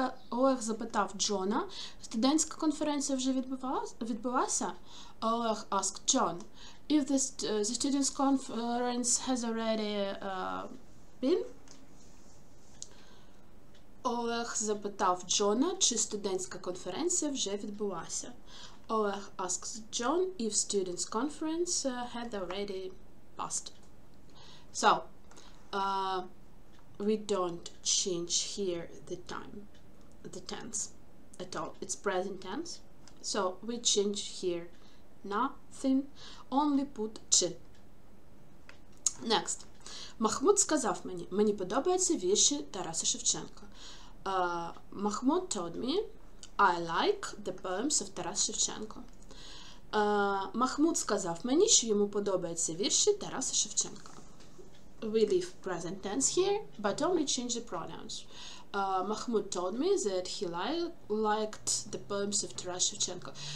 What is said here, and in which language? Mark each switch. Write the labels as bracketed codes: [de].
[uk] Олег запитав Джона, студентська конференція вже відбулася? [en] Олег asked John, if this, the student's conference has already been? [uk] Олег запитав Джона, чи студентська конференція вже відбулася? [en] Олег asked John, if student's conference had already passed. So, we don't change here the time, the tense at all. It's present tense. So we change here nothing, only put чи. Next. [uk] Махмуд сказав мені, мені подобаються вірші Тараса Шевченка. [en] Махмуд told me, I like the poems of Тарас Шевченко. [uk] Махмуд сказав мені, що йому подобаються вірші Тараса Шевченка. [en] We leave present tense here, but only change the pronouns. Mahmoud told me that he liked the poems of Taras Shevchenko.